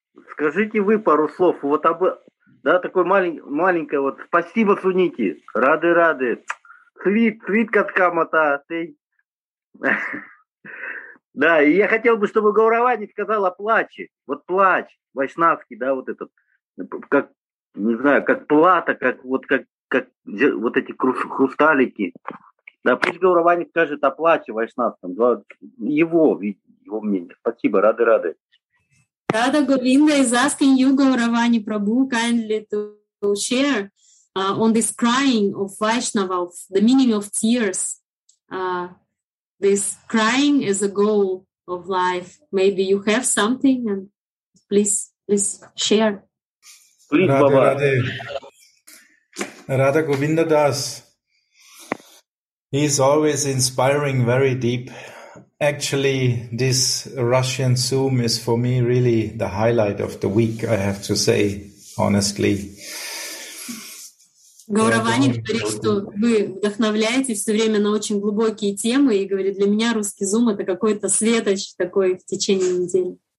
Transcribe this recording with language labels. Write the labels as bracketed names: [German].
[Russian] Скажите вы пару слов, вот об, да, такой маленькое, вот, спасибо, Суните, рады-рады, свит каткамата, ты, да, и я хотел бы, чтобы Гауравани сказала плачи, вот плач, вайшнавский, да, вот этот, как, не знаю, как плата, как вот эти хрусталики, да, пусть Гауравани скажет о плаче вайшнавском, да, его мнение, спасибо, рады-рады. [English] Radha Govinda is asking you, Gauravani Prabhu, kindly to share on this crying of Vaishnava, of the meaning of tears. This crying is a goal of life. Maybe you have something, and please share. Please, Radha, Baba. Radha. Radha Govinda Das, he is always inspiring very deep. Actually, this Russian Zoom is for me really the highlight of the week, I have to say, honestly. [Russian] Гауравани говорит, что вы вдохновляете все время на очень глубокие темы, и говорит, для меня русский Zoom — это какой-то светоч такой в течение недели.